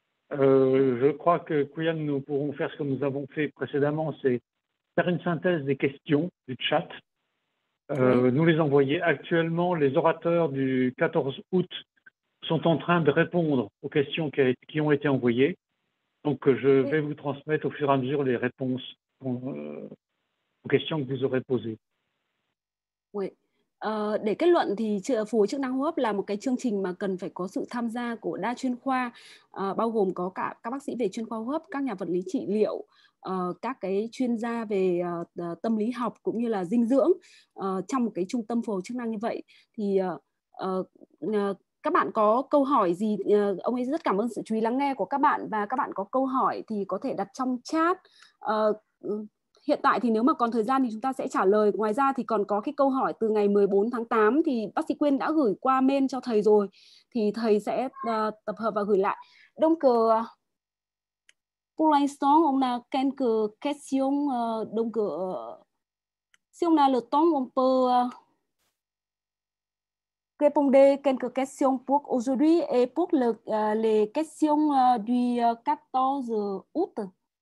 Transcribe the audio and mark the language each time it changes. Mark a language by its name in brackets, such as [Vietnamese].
[French] Je crois que, Kouyan, nous pourrons faire ce que nous avons fait précédemment, c'est faire une synthèse des questions du chat, nous les envoyer. Actuellement, les orateurs du 14 août sont en train de répondre aux questions qui ont été envoyées. Donc, je vais vous transmettre au fur et à mesure les réponses aux questions que vous aurez posées. Oui. [Vietnamese] Để kết luận thì phục hồi chức năng hô hấp là một cái chương trình mà cần phải có sự tham gia của đa chuyên khoa, bao gồm có cả các bác sĩ về chuyên khoa hô hấp, các nhà vật lý trị liệu, các cái chuyên gia về tâm lý học cũng như là dinh dưỡng trong một cái trung tâm phục hồi chức năng như vậy. Thì các bạn có câu hỏi gì, ông ấy rất cảm ơn sự chú ý lắng nghe của các bạn, và các bạn có câu hỏi thì có thể đặt trong chat. Hiện tại thì nếu mà còn thời gian thì chúng ta sẽ trả lời. Ngoài ra thì còn có cái câu hỏi từ ngày 14 tháng 8 thì bác sĩ Quyên đã gửi qua mail cho thầy rồi. Thì thầy sẽ tập hợp và gửi lại. [French] Donc, pour l'instant, on a quelques questions. Donc, si on a le temps, on peut répondre quelques questions pour aujourd'hui et pour les questions du 14 août.